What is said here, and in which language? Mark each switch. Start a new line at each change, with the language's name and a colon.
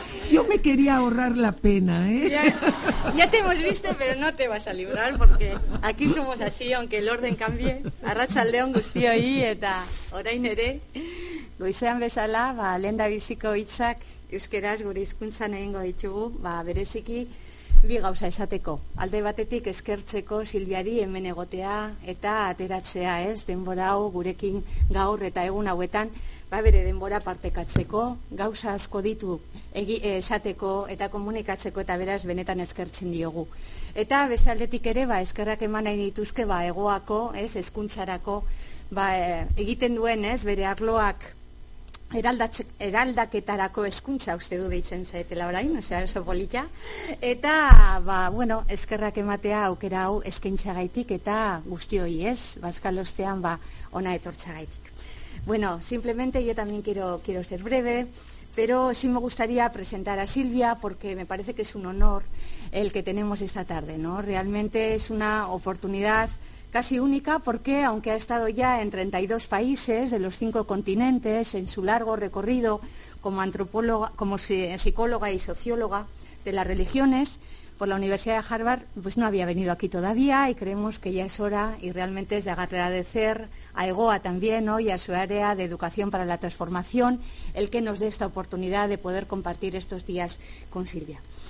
Spanish: Yo me quería ahorrar la pena, ¿eh? Ya te hemos visto, pero no te vas a librar, porque aquí somos así, aunque el orden cambie.
Basque: Arratsaldeon guztioi eta orain ere, goizean bezala, ba, lehendabiziko hitzak euskeraz gure hizkuntzan egingo ditugu, ba, bereziki, bi gauza esateko. Alde batetik eskertzeko Silviari hemen egotea eta ateratzea, ez, denbora hau gurekin gaur eta egun hauetan, ba, bere denbora partekatzeko, gauza asko ditu esateko eta komunikatzeko eta beraz benetan eskertzen diogu. Eta beste aldetik ere, ba, eskerrak eman nahi dituzke, ba, egoako, ez, hezkuntzarako, ba, egiten duen, ez, bere arloak eraldaketarako hezkuntza uste du deitzen zaetela orain, osea oso polita. Eta, ba, bueno, eskerrak ematea aukera hau eskaintzagaitik eta guztioi, ez, bazkal ostean, ba, ona etortzagaitik.
Spanish: Bueno, simplemente yo también quiero ser breve, pero sí me gustaría presentar a Silvia porque me parece que es un honor el que tenemos esta tarde, ¿no? Realmente es una oportunidad casi única porque, aunque ha estado ya en 32 países de los 5 continentes, en su largo recorrido como antropóloga, como psicóloga y socióloga de las religiones por la Universidad de Harvard, pues no había venido aquí todavía y creemos que ya es hora y realmente es de agradecer a EGOA también, ¿no?, y a su área de educación para la transformación el que nos dé esta oportunidad de poder compartir estos días con Silvia.